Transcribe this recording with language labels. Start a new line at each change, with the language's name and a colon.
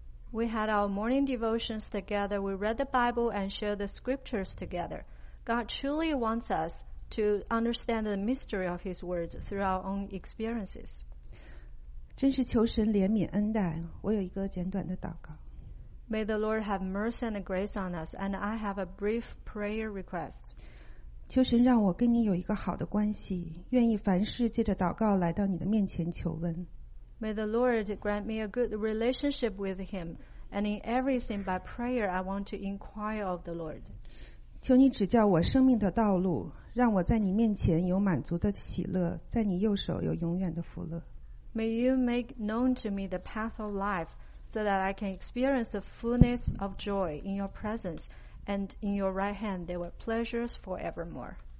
English: We had our morning devotions together. We read the Bible and shared the scriptures together. God truly wants us to understand the mystery of His words through our own experiences.
Chinese: 真是求神怜悯恩待。我有一个简短的祷告。
English: May the Lord have mercy and grace on us. And I have a brief prayer request.
Chinese: 求神让我跟你有一个好的关系，愿意凡事借着祷告来到你的面前求问。
English: May the Lord grant me a good relationship with him, and in everything by prayer I want to inquire of the Lord.
Chinese: 求你指教我生命的道路，让我在你面前有满足的喜乐，在你右手有永远的福乐。
English: May you make known to me the path of life, so that I can experience the fullness of joy in your presence, and in your right hand there were pleasures forevermore.